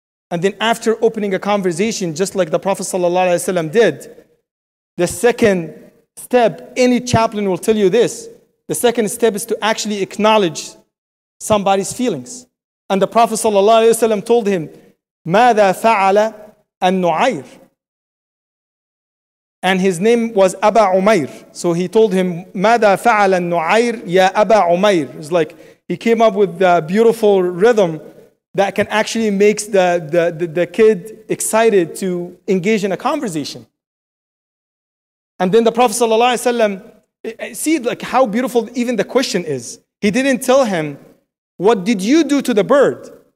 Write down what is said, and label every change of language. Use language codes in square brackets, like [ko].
[en] And then after opening a conversation, just like the Prophet sallallahu alaihi wasallam did, the second step, any chaplain will tell you this, the second step is to actually acknowledge somebody's feelings. And the Prophet sallallahu alaihi wasallam told him, [ar] ماذا فعل النعير? [en] And his name was Aba Umair. So he told him, [ar] ماذا فعل النعير يا أبا عمير? [en] It's like, he came up with a beautiful rhythm that can actually make the kid excited to engage in a conversation. And then the Prophet sallallahu alaihi wasallam, see like how beautiful even the question is. He didn't tell him, what did you do to the bird?